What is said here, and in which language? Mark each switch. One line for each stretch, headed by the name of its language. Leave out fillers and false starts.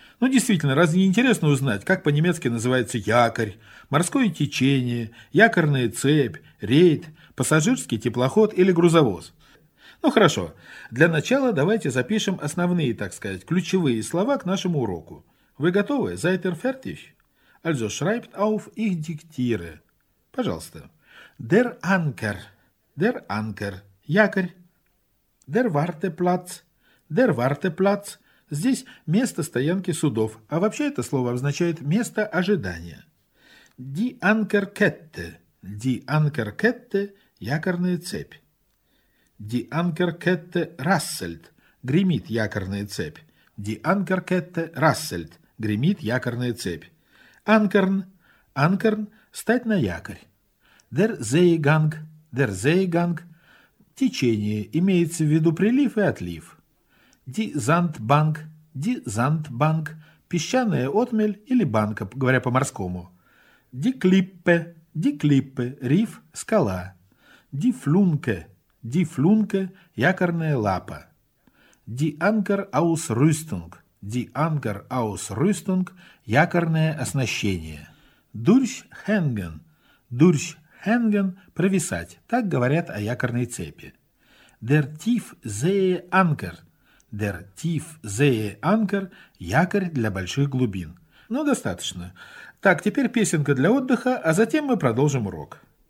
Russian: Ну, действительно, разве не интересно узнать, как по-немецки называется якорь, морское течение, якорная цепь, рейд, пассажирский теплоход или грузовоз? Ну, хорошо. Для начала давайте запишем основные, так сказать, ключевые слова к нашему уроку. Вы готовы?
German: Seid ihr fertig? Also schreibt auf ich diktiere.
Russian: Пожалуйста.
German: Der Anker. Der Anker.
Russian: Якорь.
German: Der Warteplatz. Der Warteplatz.
Russian: Здесь место стоянки судов, а вообще это слово означает место ожидания.
German: Die Ankerkette. Die Ankerkette –
Russian: якорная цепь.
German: Die Ankerkette rasselt –
Russian: гремит якорная цепь.
German: Die Ankerkette rasselt –
Russian: гремит якорная цепь.
German: Ankern – Ankern –
Russian: стать на якорь.
German: Der Seegang – Der Seegang –
Russian: течение, имеется в виду прилив и отлив.
German: Die Sandbank – Die Sandbank –
Russian: песчаная отмель или банка, говоря по-морскому.
German: Die Klippe – Die Klippe –
Russian: риф, скала.
German: Die Flunke – Die Flunke –
Russian: якорная лапа.
German: Die Ankerausrüstung – Die Ankerausrüstung –
Russian: якорное оснащение.
German: Durchhängen – Durchhängen –
Russian: провисать, так говорят о якорной цепи.
German: Der Tiefseeanker – Der Tiefseeanker –
Russian: якорь для больших глубин. Ну, достаточно. Так, теперь песенка для отдыха, а затем мы продолжим урок.